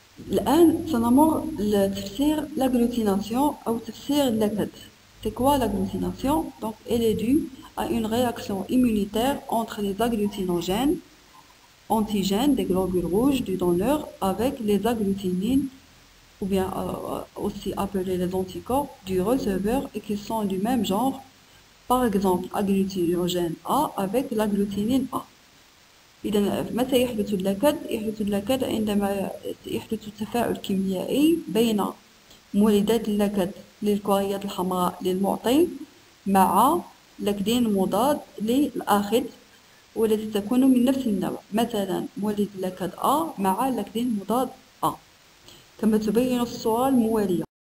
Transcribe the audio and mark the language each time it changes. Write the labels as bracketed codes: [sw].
[ar] الآن سنمر لتفسير الأجلوتيناسيون أو تفسير النكد. [fr] C'est quoi l'agglutination? Donc, elle est due à une réaction immunitaire entre les agglutinogènes, antigènes des globules rouges du donneur, avec les agglutinines, ou bien aussi appelées les anticorps, du receveur et qui sont du même genre, par exemple, agglutinogène A avec l'agglutinine A. [ar] إذا متى يحدث اللكد؟ يحدث اللكد عندما يحدث تفاعل كيميائي بين مولدات اللكد للكريات الحمراء للمعطي مع لكدين مضاد للآخذ والتي تكون من نفس النوع، مثلا مولد لكد A مع لكدين مضاد A كما تبين الصورة الموالية.